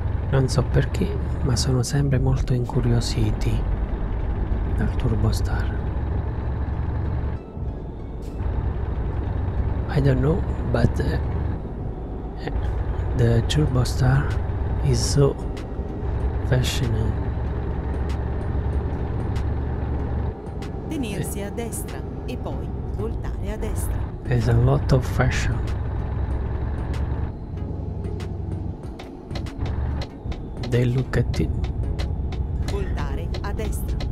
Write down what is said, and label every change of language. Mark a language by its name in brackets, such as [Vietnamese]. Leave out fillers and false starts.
[Italian] non so perché, ma sono sempre molto incuriositi dal Turbostar. [English] I don't know, but the Turbostar is so fascinating. [Italian] Tenersi a destra e poi voltare a destra. [English] There's a lot of fashion. They look at it. [Italian] Voltare a destra.